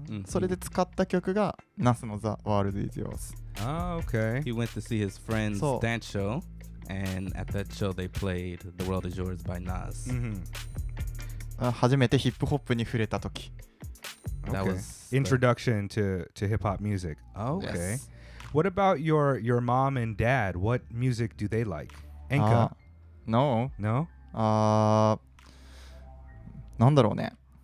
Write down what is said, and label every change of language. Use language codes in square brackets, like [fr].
[ja] そうで、本当にその友達がダンスショーを見に行った。ヒップホップのダンスショーを見に行って、それで使った曲がナスのザワールドイズヨース。 [en] Ah, okay. He went to see his friend's dance show, and at that show, they played The World Is Yours by Nas. Mm-hmm. [ja] 初めてヒップホップに触れた時. [en] That was introduction to hip-hop music. Oh, okay. Yes. What about your mom and dad? What music do they like? Enka? No. No? [ja] なんだろうね?